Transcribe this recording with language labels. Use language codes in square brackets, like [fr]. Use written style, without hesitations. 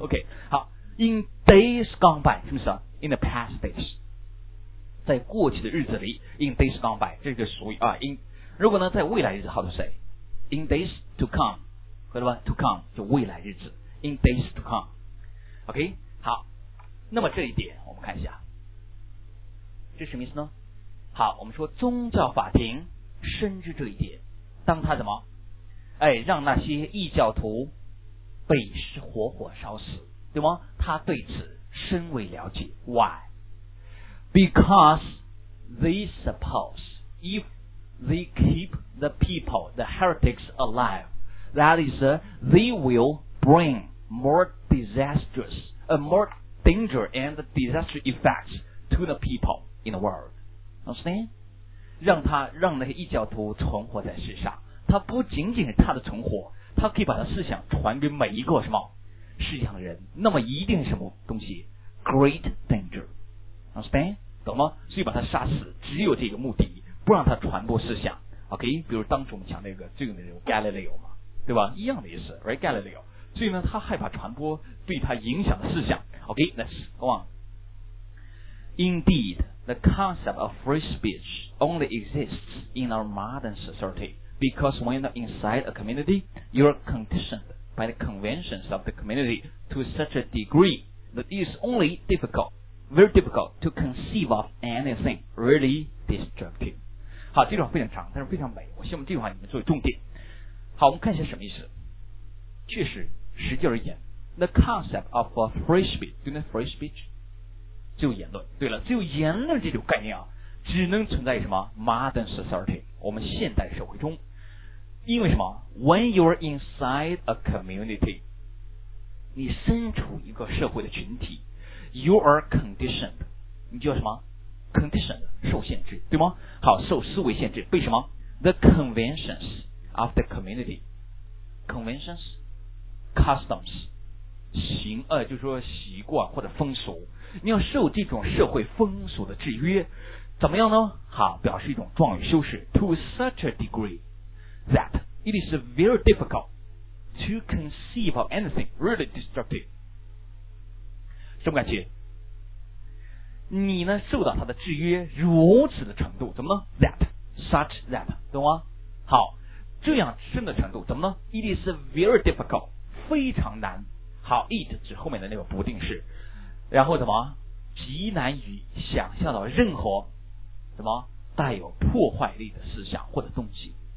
[zh] OK, 好 , [en] in days gone by, [zh] 是不是 ? [en] in the past days, [zh] 在过去的日子里 ,in days gone by, 这就是所谓啊 ,in, 如果呢在未来日子 , [en] how to say?in days to come, [zh] 可以吧 ?to come, 就未来日子 ,in days to come, OK, 好，那么这一点我们看一下，这什么意思呢？好，我们说宗教法庭深知这一点，当他怎么哎，让那些异教徒被活火烧死，对吗？他对此深为了解。 [en] Why? Because they suppose if they keep the people, the heretics alive, that is, they will bring more danger and disaster effects to the people in the world. Understand? [zh] 让那些异教徒存活在世上。他不仅仅是他的存活，他可以把他思想传给每一个什么世界上的人，那么一定是什么东西 [en] great danger, understand? [zh] 懂吗？所以把他杀死只有这个目的，不让他传播思想 OK? 比如当初我们讲那个最有名的 Galileo 嘛，对吧，一样的意思 [en] right? [zh] Galileo, 所以呢他害怕传播对他影响的思想 OK? [en] Let's go on. Indeed, the concept of free speech only exists in our modern societyBecause when you're inside a community, you're conditioned by the conventions of the community to such a degree that it's only difficult, very difficult to conceive of anything really destructive. [zh] 好，这句话非常长，但是非常美。我希望这句话你们作为重点。好，我们看一下什么意思。确实，实际而言 [en] ，the concept of a free speech, do you know free speech? [zh] 自由言论。对了，自由言论这种概念啊，只能存在于什么 [en] modern society。 [zh] 我们现代社会中，因为什么 ？ [en] When you're inside a community, [zh] 你身处一个社会的群体 ， [en] you are conditioned, [zh] 你叫什么 ？conditioned 受限制，对吗？好，受思维限制，被什么 ？ [en] The conventions after community, conventions, customs, [zh] 行就是说习惯或者风俗，你要受这种社会风俗的制约，怎么样呢？好，表示一种状语修饰 [en] to such a degree that it is very difficult to conceive of anything really destructive。 [zh] 什么感觉？你呢受到他的制约如此的程度，怎么呢？ [en] that such that， [zh] 懂吗？好，这样深的程度怎么呢？ [en] it is very difficult， [zh] 非常难。好， it 指后面的那个不定式，然后怎么极难于想象到任何什么带有破坏力的思想或者动机。